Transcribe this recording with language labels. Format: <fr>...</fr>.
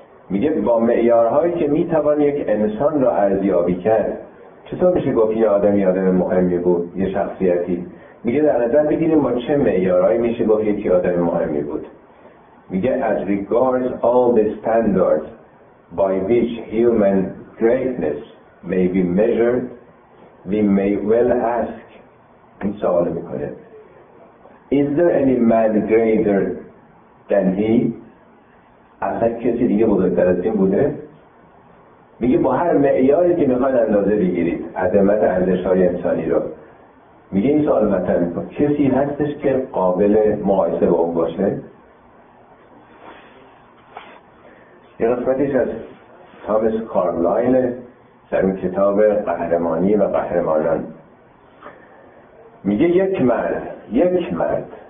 <fa>میگه با معیارهایی که میتوان یک انسان را ارزیابی کرد، چطور میشه گفت یه آدم، یه آدم مهمی بود، یه شخصیتی؟ میگه در نظر بگیریم با چه معیارهایی میشه گفت یکی آدم مهمی بود. میگه</fa> <en>as regards all the standards by which human greatness may be measured we may well ask،</en> <fa>این سوال میکنه</fa> <en>Is there any man greater than he?</en> <fa>اصلا کسی دیگه بزرگتر از این بوده؟ میگه با هر معیاری که میخواد اندازه بگیرید عظمت ارزش‌های انسانی رو. میگه این سوال مطرح میکنه، کسی هستش که قابل مقایسه با اون باشه؟ یه قسمتیش از تامس کارلایل در اون کتاب قهرمانی و قهرمانان میگه، یک مرد</fa>